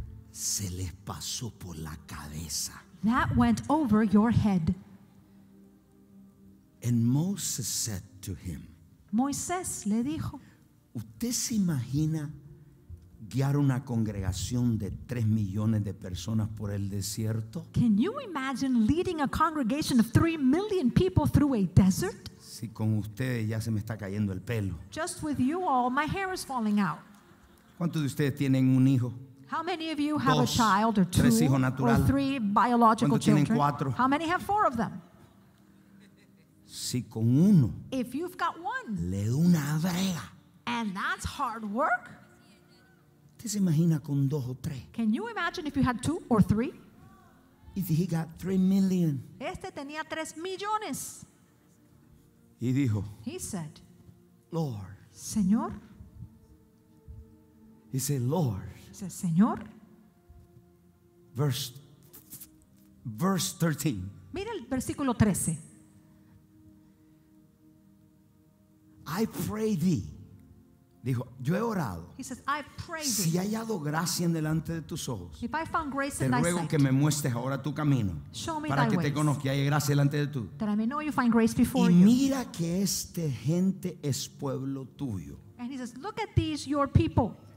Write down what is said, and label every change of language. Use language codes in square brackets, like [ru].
[es] Se les pasó por la cabeza. [en] That went over your head. And Moses said to him. [es] Moisés le dijo. ¿Usted se imagina guiar una congregación de 3 millones de personas por el desierto? [en] Can you imagine leading a congregation of 3 million people through a desert? [es] Si con ustedes ya se me está cayendo el pelo. [en] Just with you all, my hair is falling out. [es] ¿Cuántos de ustedes tienen un hijo? [en] How many of you have a child or two? [es] Tres hijos naturales. [en] Or 3 biological [es] ¿cuántos tienen [en] children? [es] Cuatro? [en] How many have 4 of them? [es] Si con uno. [en] If you've got one. [es] Le doy una brega. [en] And that's hard work. [es] ¿Usted se imagina con 2 o 3? [en] Can you imagine if you had 2 or 3? If he got 3 million. [es] Este tenía 3 millones. Y dijo. [en] He said. Lord. [es] Señor. [en] He said, Lord. [es] Dice, Señor. [en] Verse 13. [es] Mira el versículo 13. [en] I pray thee. [es] Dijo, yo he orado. [en] He says, I prayed. [es] Si he hallado gracia en delante de tus ojos, [en] if I found grace [es] te ruego [en] in thy [es] que [en] sight, [es] me muestres ahora tu camino, [en] show me [es] para [en] thy [es] que [en] ways, [es] te conozca y haya gracia delante de tú. [en] That I may know you find grace before [es] y [en] you. [es] Mira que este gente es pueblo tuyo. [en] And he says, look at these, your people.